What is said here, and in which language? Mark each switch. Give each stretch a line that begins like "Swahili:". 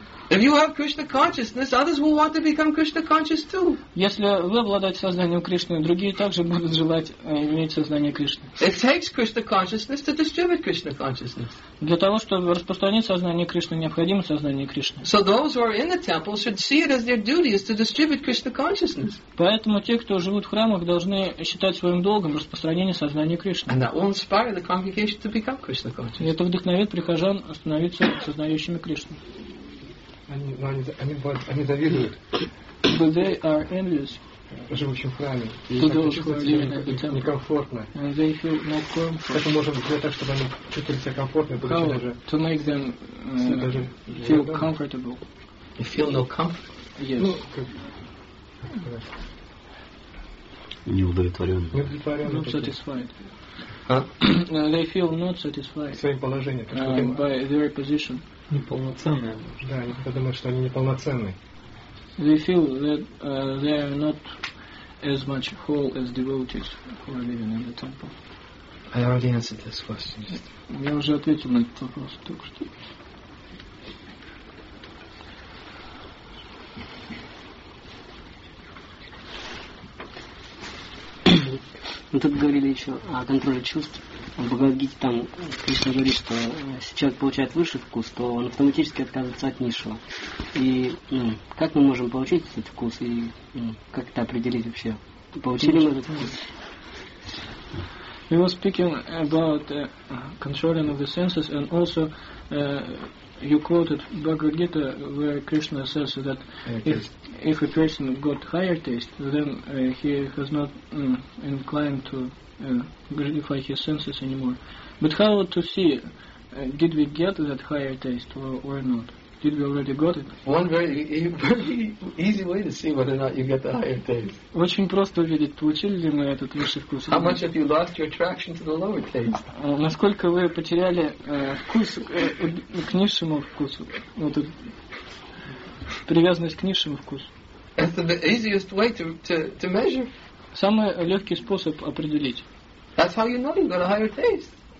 English: If you have Krishna consciousness, others will want to become Krishna conscious too.
Russian: Если вы обладаете сознанием Кришны, другие также будут желать иметь сознание Кришны.
English: It takes Krishna consciousness to distribute Krishna consciousness.
Russian: Для того, чтобы распространить сознание Кришны, необходимо сознание Кришны.
English: So those who are in the temple should see it as their duty is to distribute Krishna consciousness.
Russian: Поэтому те, кто живут в храмах, должны считать своим долгом распространение сознания Кришны.
English: And that will inspire the congregation to become Krishna conscious.
Russian: Это вдохновит прихожан становиться сознающими Кришны. Они завидуют.
English: But they are envious.
Russian: Живущим в храме.
English: To those who are living at the temple.
Russian: Некомфортно.
English: And they feel not comfortable.
Russian: Как мы можем сделать так, чтобы они чувствовали себя комфортно?
English: How to make them feel comfortable? You feel no comfort? Yes.
Russian: Неудовлетворенно. Неудовлетворенно.
English: Not satisfied. They feel not satisfied
Russian: своим положением,
English: by their position.
Russian: Неполноценные. Да, они думают, что они неполноценные.
English: They feel that they are not as much whole as devotees who are living in the temple. I already answered this question. Just.
Russian: Я уже ответил на этот вопрос только что. Мы тут говорили еще о контроле чувств. В Бхагавад-гите там Кришна говорит, что если человек получает высший вкус, то он автоматически отказывается от низшего. И как мы можем получить этот вкус и как это определить вообще? Получили мы этот вкус?
English: He was speaking about controlling of the senses, and also you quoted Bhagavad Gita, where Krishna says that if a person got higher taste, then he has not inclined to gratify his senses anymore. But how to see? Did we get that higher taste or not? Did we already got it? One very easy way to see whether or not you get the higher taste.
Russian: Очень просто увидеть, получили ли мы этот высший вкус.
English: How much have you lost your attraction to the lower taste?
Russian: Насколько вы потеряли вкус к низшему вкусу, вот привязанность к низшему вкусу.
English: That's the easiest way to measure.
Russian: Самый легкий способ определить.
English: That's how you know you got a higher taste.